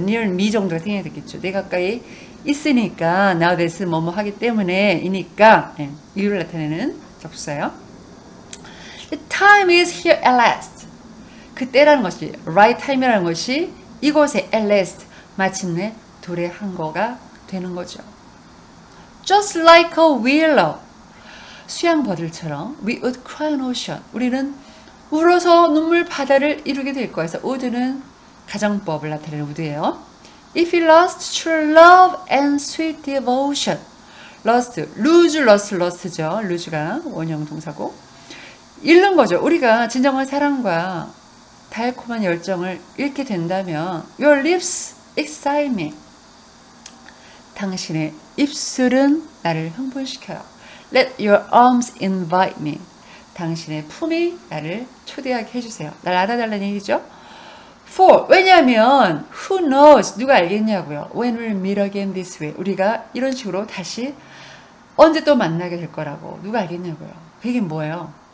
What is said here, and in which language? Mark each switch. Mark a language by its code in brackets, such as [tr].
[en] Near me [ko] 정도가 생겨야 되겠죠. 내 가까이 있으니까 [en] Now that [ko] 뭐뭐 하기 때문에 이니까 예, 이유를 나타내는 접수사예요. [en] The time is here at last. [ko] 그 때라는 것이 right time이라는 것이 이곳에 at last 마침내 도래한 거가 되는 거죠. [en] Just like a whale, [ko] 수양버들처럼 [en] we would cry an ocean. [ko] 우리는 울어서 눈물 바다를 이루게 될 거예요. 우드는 가정법을 나타내는 우드예요. [en] If you lost true love and sweet devotion, lost, lose, lost, lost죠. [ko] lose가 원형 동사고 잃는 거죠. 우리가 진정한 사랑과 달콤한 열정을 잃게 된다면 [en] your lips excite me. [ko] 당신의 입술은 나를 흥분시켜요. [en] Let your arms invite me. [ko] 당신의 품이 나를 초대하게 해주세요. 날 안아달라는 얘기죠. For, 왜냐하면 [en] who knows, [ko] 누가 알겠냐고요. [en] When we'll meet again this way, [ko] 우리가 이런 식으로 다시 언제 또 만나게 될 거라고 누가 알겠냐고요. 그게 뭐예요?